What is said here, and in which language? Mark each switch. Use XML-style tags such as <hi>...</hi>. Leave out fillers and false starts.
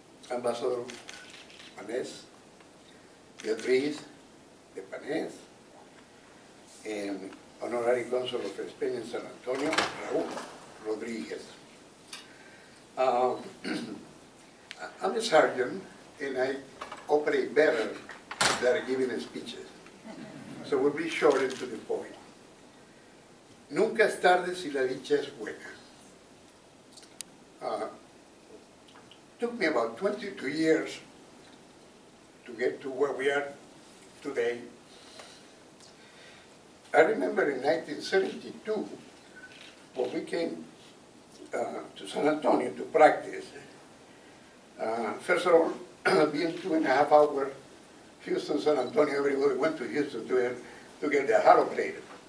<en>Ambassador Manes, Beatriz de Panes, and Honorary Consul of Spain in San Antonio, Raúl Rodriguez. I'm a sergeant, and I operate better than giving speeches. So we'll be short and to the point.</en> <es>Nunca es tarde si la dicha es buena.</es> <en>Took me about 22 years to get to where we are today. I remember in 1972, when we came to San Antonio to practice, first of all, being 2.5 hours, Houston, San Antonio, everybody went to Houston to get the heart operated.</en>